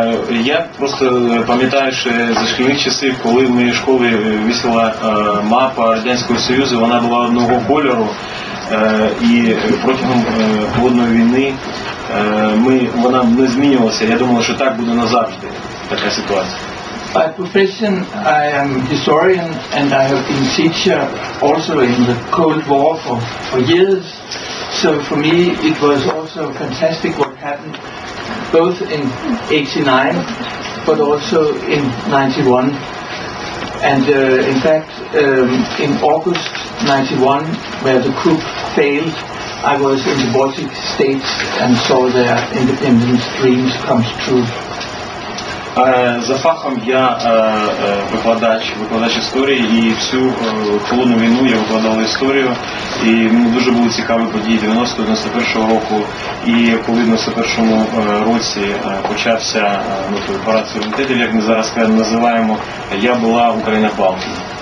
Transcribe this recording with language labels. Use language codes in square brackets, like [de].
[uk] Я просто пам'ятаю, що за шкільні часи, коли в моїй школі висіла мапа Радянського Союзу, вона була одного кольору. І протягом холодної війни вона не змінювалася. Я думав, що так буде назавжди така ситуація. [en] By profession I am historian and I have been teacher also in the Cold War for years. So for me it was also fantastic what happened both in 89 but also in 91. And in fact in August 91 where the coup failed I was in the Baltic States and saw their independence dreams come true. [uk] За фахом я викладач історії, і всю холодну війну я викладав історію, і мені дуже були цікаві події 90-91 року, і коли в 91 році почався парад суверенітетів, як ми зараз називаємо, я була Україна Балтії.